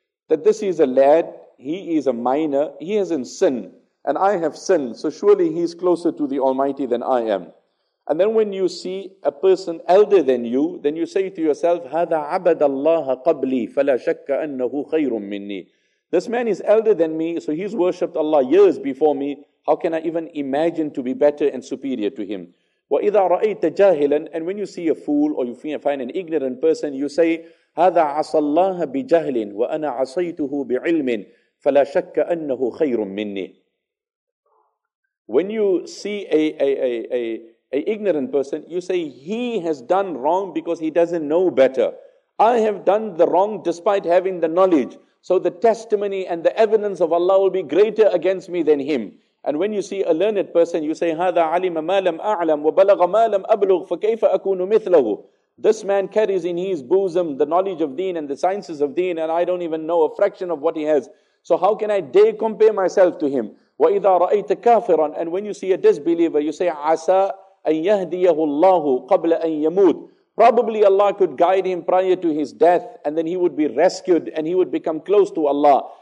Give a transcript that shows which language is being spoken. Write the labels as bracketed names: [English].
[English] That this is a lad, he is a minor, he has in sin, and I have sinned, so surely he is closer to the Almighty than I am. And then when you see a person elder than you, then you say to yourself, [Arabic] هَذَا عَبَدَ اللَّهَ قَبْلِي فَلَا شَكَّ أَنَّهُ خَيْرٌ مِّنِّي. [English] This man is elder than me, so he's worshipped Allah years before me. How can I even imagine to be better and superior to him? [Arabic] وَإِذَا رَأَيْتَ جَاهِلًا [English] And when you see a fool or you find an ignorant person, you say, [Arabic] هَذَا عَصَى اللَّهَ بِجَهْلٍ وَأَنَا عَصَيْتُهُ بِعِلْمٍ فَلَا شَكَّ أَنَّهُ خَيْرٌ مِّنِّي. [English] When you see a ignorant person, you say, he has done wrong because he doesn't know better. I have done the wrong despite having the knowledge. So the testimony and the evidence of Allah will be greater against me than him. And when you see a learned person, you say, [Arabic] هَذَا عَلِمَ مَا لَمْ أَعْلَمْ وَبَلَغَ مَا لَمْ أَبْلُغْ فَكَيْفَ أَكُونُ مِثْلَهُ. [English] This man carries in his bosom the knowledge of deen and the sciences of deen, and I don't even know a fraction of what he has. So how can I dare compare myself to him? [Arabic] وَإِذَا رَأَيْتَ كَافِرًا. [English] And when you see a disbeliever, you say, [Arabic] عَسَىٰ أَن يَهْدِيَهُ اللَّهُ قَبْلَ أَن يَمُوتُ. [English] Probably Allah could guide him prior to his death, and then he would be rescued, and he would become close to Allah.